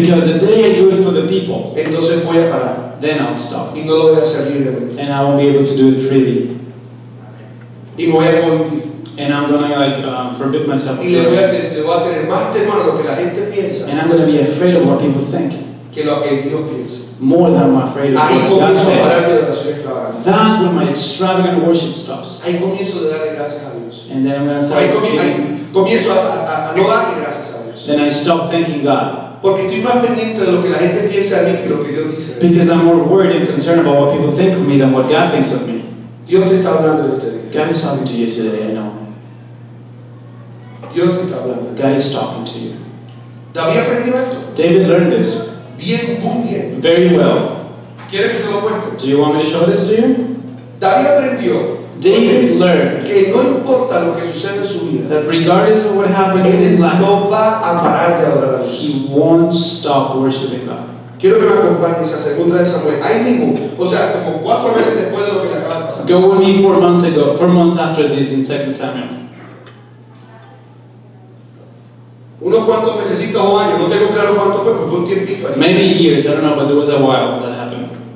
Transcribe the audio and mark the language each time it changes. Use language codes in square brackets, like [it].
[en] because the day I do it for the people, [es] entonces voy a parar. [en] Then I'll stop. [es] Y no lo voy a hacer libremente. [en] And I won't be able to do it freely. [es] Y voy a morir. [en] And I'm going to forbid myself. [es] Y voy a tener más temor a lo que la gente piensa. [en] And I'm going to be afraid of what people think. [es] Que lo que Dios piensa. [en] More than I'm afraid of. [es] Ahí [en] what [es] comienzo [en] God [es] a [en] says. That's when my extravagant worship stops. [es] Ahí comienzo a darle gracias a Dios. [en] And then I'm going to say, [es] comienzo a no darle gracias a Dios. [en] Then I stop thanking God. [es] Porque estoy más pendiente de lo que la gente piensa de mí que lo que Dios dice. [en] Because I'm more worried and concerned about what people think of me than what God thinks of me. [es] Dios te está hablando de este día. [en] God is talking to you today, I know. [es] Dios te está hablando. [en] God is talking to you. [es] David aprendió esto. [en] David learned this. [es] Bien, muy bien. [en] Very well. [es] ¿Quieres que se lo muestre? [en] Do you want me to show this to you? [es] David aprendió. [en] David learned [es] que no importa lo que sucede en su vida, [en] that regardless of what happens in his life, [es] no va a parar de adorar a Dios. [en] He won't stop worshiping God. [es] Quiero que me acompañes a segunda de Samuel. Ahí mismo, o sea, como cuatro meses después de lo que le acaba de pasar. [en] Go with me 4 months ago, 4 months after this in 2 Samuel. [es] Unos cuantos meses o años, no tengo claro cuánto fue, pero fue un tiempito ahí. [en] Maybe years, I don't know, but there was a while that happened.